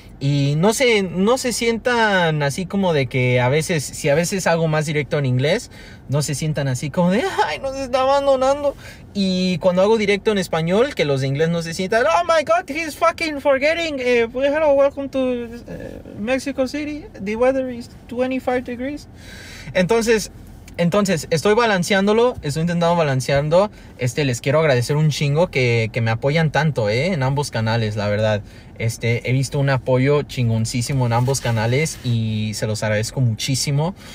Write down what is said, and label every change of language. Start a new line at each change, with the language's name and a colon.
Spanish: Y no se sientan así como de que a veces hago más directo en inglés, no se sientan así como de, ay, nos está abandonando. Y cuando hago directo en español, que los de inglés no se sientan,
English: oh my god, he's fucking forgetting. Hello, welcome to Mexico City. The weather is 25 degrees.
Spanish: Entonces, estoy intentando balanceando. Les quiero agradecer un chingo que me apoyan tanto, en ambos canales, la verdad. He visto un apoyo chingoncísimo en ambos canales y se los agradezco muchísimo.